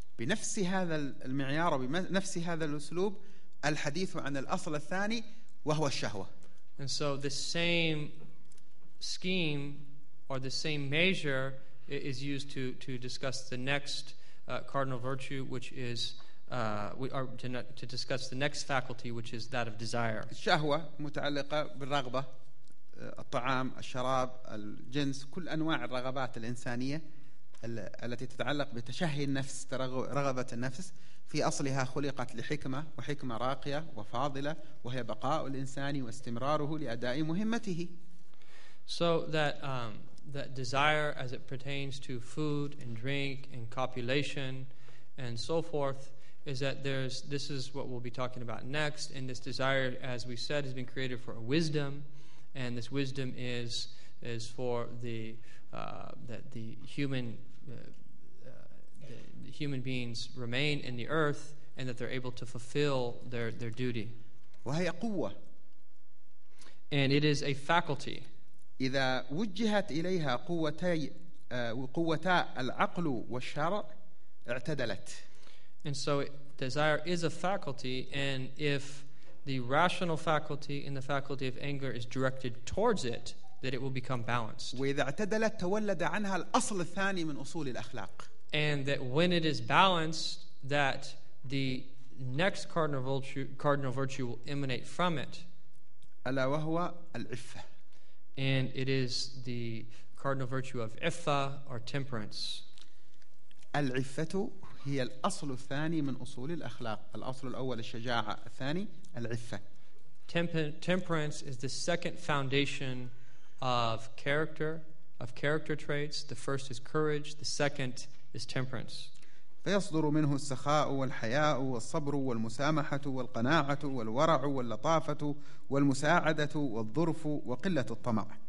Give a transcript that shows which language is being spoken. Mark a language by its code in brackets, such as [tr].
[ar] بنفس هذا المعيار وبنفس هذا الأسلوب، الحديث عن الأصل الثاني وهو الشهوة. [en] And so the same scheme or the same measure is used to discuss the next cardinal virtue, which is to discuss the next faculty, which is that of desire. [ar] الشهوة متعلقة بالرغبة، الطعام، الشراب، الجنس، كل أنواع الرغبات الإنسانية التي تتعلق بتشهي النفس، رغبة النفس، في أصلها خلقت لحكمة، وحكمة راقية وفاضلة، وهي بقاء الإنسان واستمراره لأداء مهمته. [en] So that that desire as it pertains to food and drink and copulation and so forth is that this is what we'll be talking about next. And this desire, as we said, has been created for a wisdom, and this wisdom is for the human the human beings remain in the earth and that they're able to fulfill their duty. [ar] وهي قوة. [en] And it is a faculty. [ar] إذا وجهت إليها قوتي العقل والشرع اعتدلت. [en] And so desire is a faculty, and if the rational faculty and the faculty of anger is directed towards it, that it will become balanced. [ar] وإذا اعتدلت تولد عنها الأصل الثاني من أصول الأخلاق. [en] And that when it is balanced, that the next cardinal virtue will emanate from it. [ar] ألا وهو العفة. [en] And it is the cardinal virtue of عفة or temperance. [ar] العفة هي الأصل الثاني من أصول الأخلاق. الأصل الأول الشجاعة، الثاني العفة. [en] Temperance is the second foundation of character traits. The first is courage. The second is temperance. [ar] فيصدر منه السخاء والحياء والصبر والمسامحة والقناعة والورع واللطافة والمساعدة والظرف وقلة الطمع.